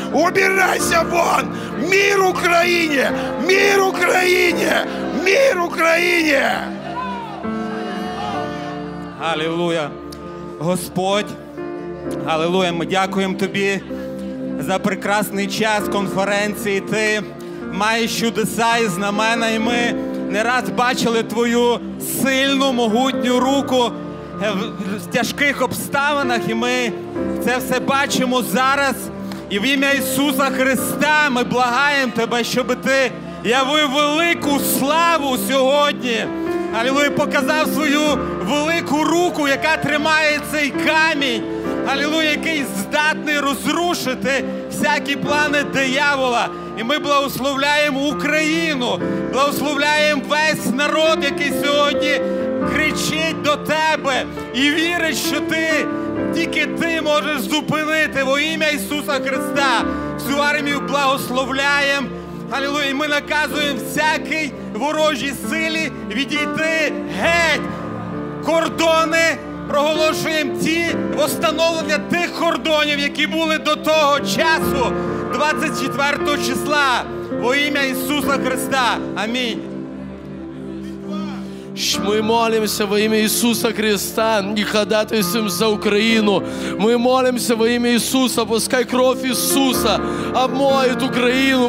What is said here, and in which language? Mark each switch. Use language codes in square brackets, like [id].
[ru] Убирайся вон! Мир Украине! Мир Украине! Мир Украине! Аллилуйя! Господь, аллилуйя, мы дякуем тебе за прекрасный час конференции. [uk] Ты маєш чудеса і знамена, і ми не раз бачили твою сильну, могутню руку в тяжких обставинах, і ми це все бачимо зараз. І в ім'я Ісуса Христа ми благаємо тебе, щоб ти явив велику славу сьогодні. Алілуя, показав свою велику руку, яка тримає цей камінь. Алілуя, який здатний розрушити всякі плани диявола. І ми благословляємо Україну, благословляємо весь народ, який сьогодні кричить до тебе і вірить, що ти, тільки ти можеш зупинити во ім'я Ісуса Христа. Всю армію благословляємо, алілуя, і ми наказуємо всякій ворожій силі відійти геть. Кордони проголошуємо ті встановлення тих кордонів, які були до того часу. [ru] 24 числа во имя Иисуса Христа. Аминь. Мы молимся во имя Иисуса Христа и ходатайствуем за Украину. Мы молимся во имя Иисуса, пускай кровь Иисуса обмоет Украину.